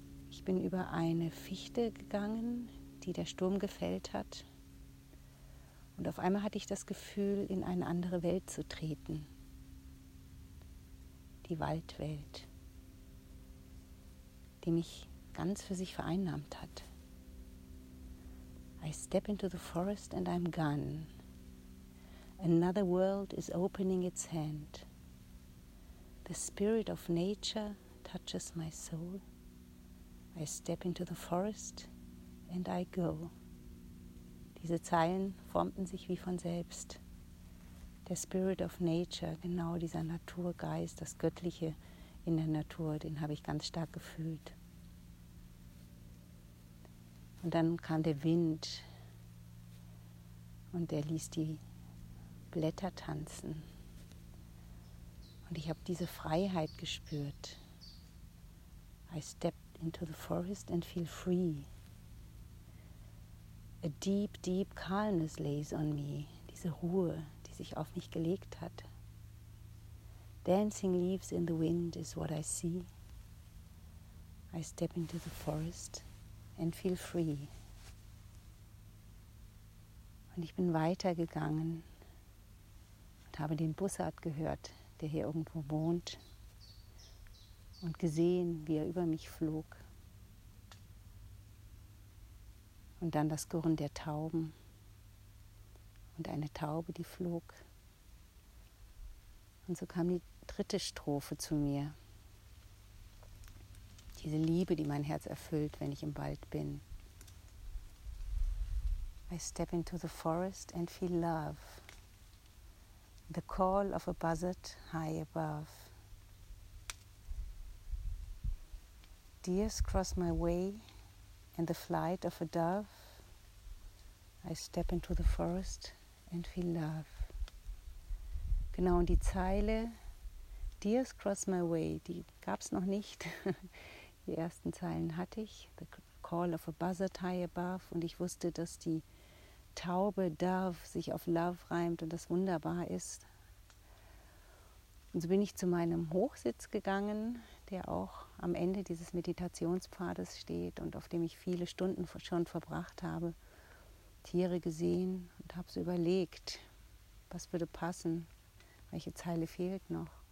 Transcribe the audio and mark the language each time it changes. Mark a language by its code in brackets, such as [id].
[de] Ich bin über eine Fichte gegangen, die der Sturm gefällt hat. Und auf einmal hatte ich das Gefühl, in eine andere Welt zu treten. Die Waldwelt, die mich ganz für sich vereinnahmt hat. [en] I step into the forest and I'm gone. Another world is opening its hand. The spirit of nature touches my soul. I step into the forest and I go. [de] Diese Zeilen formten sich wie von selbst. Der [en] Spirit of Nature, [de] genau dieser Naturgeist, das Göttliche in der Natur, den habe ich ganz stark gefühlt. Und dann kam der Wind und der ließ die Blätter tanzen. Und ich habe diese Freiheit gespürt. [en] I stepped into the forest and feel free. A deep, deep calmness lays on me. [de] Diese Ruhe, die sich auf mich gelegt hat. [en] Dancing leaves in the wind is what I see. I step into the forest and feel free. [de] Und ich bin weitergegangen und habe den Bussard gehört, der hier irgendwo wohnt, und gesehen, wie er über mich flog. Und dann das Gurren der Tauben und eine Taube, die flog. Und so kam die dritte Strophe zu mir. Diese Liebe, die mein Herz erfüllt, wenn ich im Wald bin. [en] I step into the forest and feel love. The call of a buzzard high above. Deers cross my way and the flight of a dove. I step into the forest and feel love. [de] Genau, und die Zeile [en] Deers cross my way, [de] die gab es noch nicht. Die ersten Zeilen hatte ich. [en] The call of a buzzard high above. [de] Und ich wusste, dass die Taube, Dove, sich auf Love reimt und das wunderbar ist. Und so bin ich zu meinem Hochsitz gegangen, der auch am Ende dieses Meditationspfades steht und auf dem ich viele Stunden schon verbracht habe, Tiere gesehen und habe so überlegt, was würde passen, welche Zeile fehlt noch.